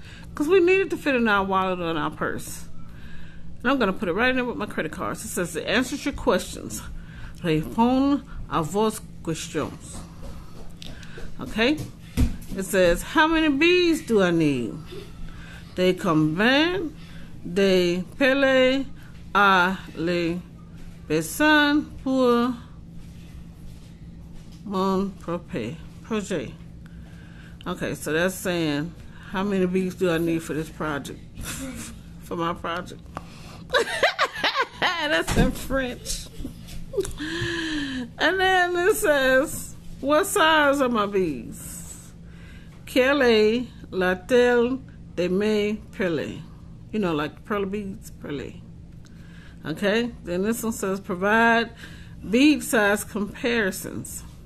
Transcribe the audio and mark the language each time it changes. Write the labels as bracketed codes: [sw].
[en] Because we need it to fit in our wallet or in our purse. And I'm going to put it right in there with my credit cards. It says it answers your questions. [fr] Répond à vos questions. [en] Okay, it says, how many beads do I need? They combine, they pele [fr] à les besoins pour mon projet. [en] Okay, so that's saying, how many beads do I need for this project? For my project. That's in French. And then it says, what size are my beads? [fr] Quelle est la taille de mes perles? [en] You know, like pearl beads, perles. Okay, then this one says, provide bead size comparisons.